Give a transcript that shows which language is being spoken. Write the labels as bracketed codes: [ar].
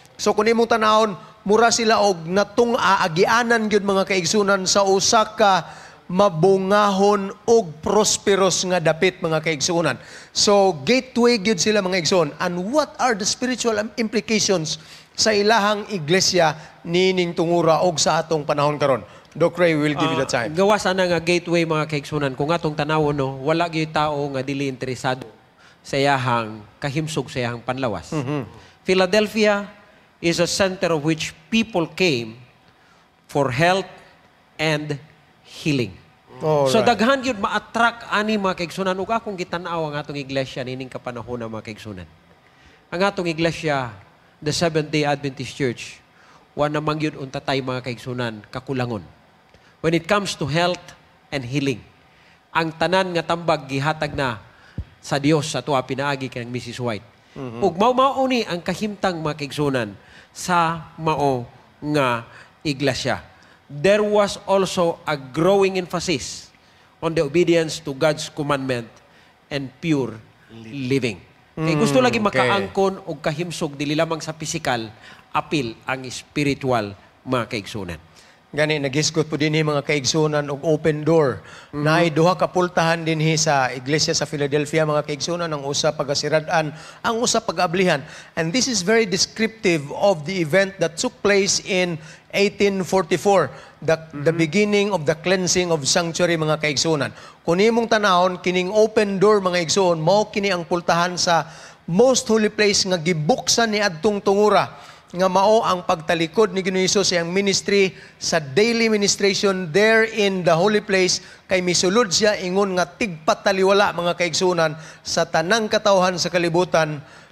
[ceb] So kung imong tanahon, mura sila og natung-a, agianan yun, mga kaigsoonan, sa Osaka, mabungahon og prosperous nga dapit, mga kaigsoonan. So, gateway yun sila, mga igsoon. [en] And what are the spiritual implications [ceb] sa ilahang iglesia nining tungura og sa atong panahon karon? [en] Doc Ray, we'll give you the time. [ceb] Gawas ana nga gateway, mga kaigsoonan. Kung atong tanawon, no, wala gyud tao nga dili interesado sa iyahang kahimsog, sa iyahang panlawas. Mm-hmm. [en] Philadelphia is a center of which people came for health and healing. Alright. [ceb] So daghan gyud ma-attract ani, mga kaigsoonan, ug akong gitan-aw ang atong iglesia nining kapanahon, mga kaigsoonan. Ang atong iglesia, the Seventh-day Adventist Church, wa namang yun untatay, mga kaigsoonan, kakulangon. [en] When it comes to health and healing, [ceb] ang tanan nga tambag gihatag na sa Dios sa tuwa pinaagi kang Mrs. White. Mm-hmm. Ug mau-mauni ang kahimtang, mga kaigsoonan, sa mao nga iglesia. [en] There was also a growing emphasis on the obedience to God's commandment and pure living. [ceb] Kaya gusto lagi makaangkon o kahimsog, dili lamang sa physical, apil ang spiritual, mga kaigsoonan. Gani, nag-iskot po din hi, mga kaigsoonan, o open door. Mm-hmm. Na ay duha kapultahan din hi sa iglesia sa Philadelphia, mga kaigsoonan, ang usa pag-asiradan, ang usa pag-ablihan. [en] And this is very descriptive of the event that took place in 1844, the beginning of the cleansing of sanctuary, mga kaigsoonan. [ceb] Kung imong tanahon, kining open door, mga igsoon, mao kini ang pultahan sa most holy place nga gibuksan ni adtong tungura, nga mao ang pagtalikod ni Ginoo sa iyang ministry sa daily ministration [en] there in the holy place, [ceb] kay misulod siya ingon nga tigpataliwala, mga kaigsoonan, sa tanang katawhan sa kalibutan.